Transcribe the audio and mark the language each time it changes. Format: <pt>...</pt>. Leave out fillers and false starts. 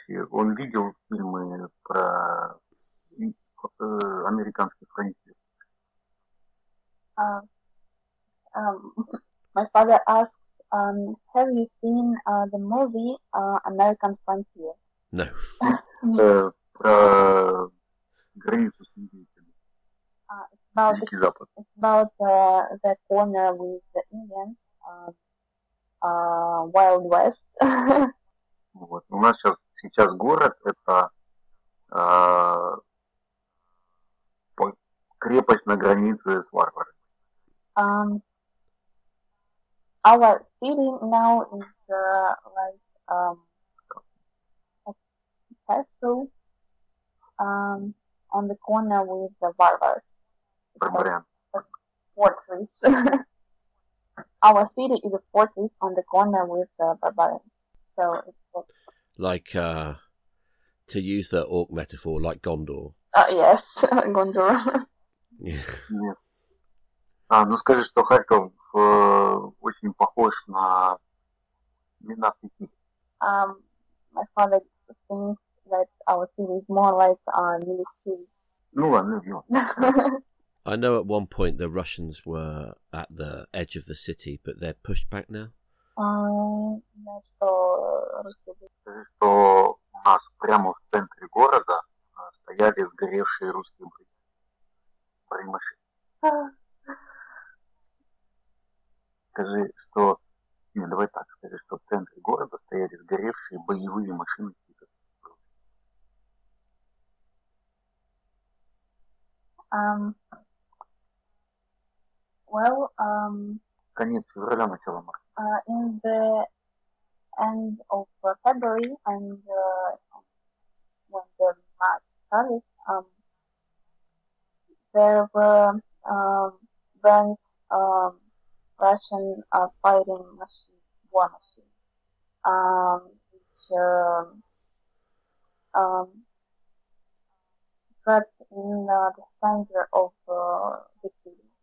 <ru>Он видел фильмы про американский хранитель.</ru> <en>My father asks, have you seen the movie American Frontier? No.</en> <ru>Про границу с индейцами.</ru> <en>It's about the corner with the Indians, Wild West.</en> <ru>Вот. У нас сейчас город это крепость на границе с варварами.</ru> <en>Our city now is like a castle on the corner with the barbers. Barbarian. Fortress. our city is a fortress on the corner with the barbarians. So like, to use the orc metaphor, like Gondor. Yes, Gondor. Yeah.</en> <ru>Ну скажи, что Харьков очень похож на Минаски.</ru> <en>My father thinks that our city is more like Minaski.</en> <ru>Ну ладно, ладно.</ru> <en>I know at one point the Russians were at the edge of the city, but they're pushed back now.</en> <ru>Что у нас прямо в центре города стояли сгоревшие русские бронемашины. Скажи, что... Нет, давай так, скажи, что в центре города стояли сгоревшие боевые машины.</ru> <en>Well,</en> <ru>конец февраля, начало марта.</ru> <en>In the end of February and when the march started, there were burnt Russian fighting machines, war machines, which got in the center of the city.</en>